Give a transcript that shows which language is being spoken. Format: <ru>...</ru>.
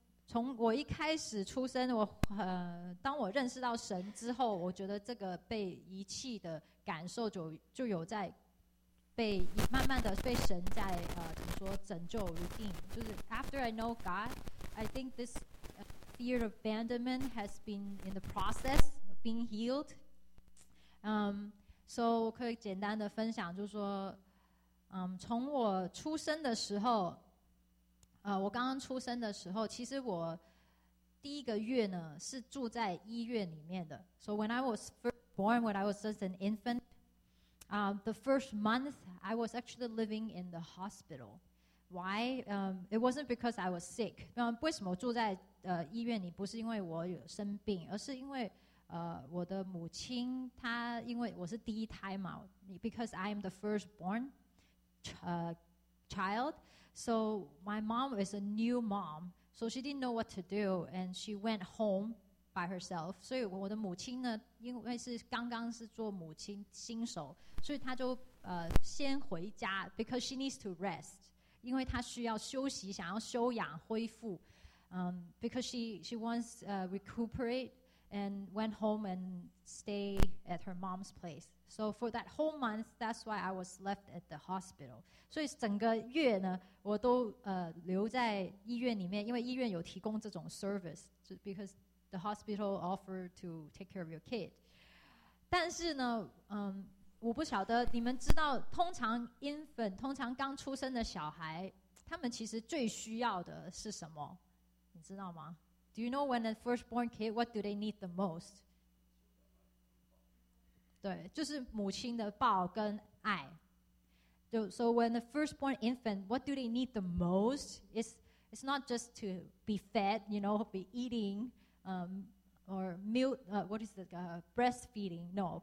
<zh>从我一开始出生，当我认识到神之后，我觉得这个被遗弃的感受就有在被慢慢的被神在怎么说拯救 redeem， 就是</zh> <en>after I know God， I think this fear of abandonment has been in the process of being healed。</en> <zh>所以我可以简单的分享，就是说，从我出生的时候。我刚刚出生的时候，其实我第一个月呢是住在医院里面的。</zh> <en>So when I was first born, when I was just an infant, the first month I was actually living in the hospital. Why? It wasn't because I was sick.</en> <zh>为什么住在医院里？不是因为我有生病，而是因为我的母亲她因为我是第一胎嘛 ，</zh> <en>because I am the firstborn child. So my mom is a new mom, so she didn't know what to do, and she went home by herself.</en> <zh>所以我的母亲呢，因为是刚刚是做母亲新手，所以她就先回家 ，</zh> <en>because she needs to rest.</en> <zh>因为她需要休息，想要休养恢复。</zh> <en>Because she wants recuperate and went home and stay at her mom's place. So for that whole month, that's why I was left at the hospital.</en> <zh>所以整个月呢，我都留在医院里面，因为医院有提供这种 service,</zh> <en>because the hospital offered to take care of your kid.</en> <zh>但是呢，我不晓得你们知道，通常 infant, 通常刚出生的小孩，他们其实最需要的是什么？你知道吗？</zh> <en>Do you know when a firstborn kid, what do they need the most?</en> <zh>对，就是母亲的抱跟爱。</zh> <en>So when the firstborn infant, what do they need the most? It's not just to be fed, you know, be eating, or milk, what is it, breastfeeding, no.</en>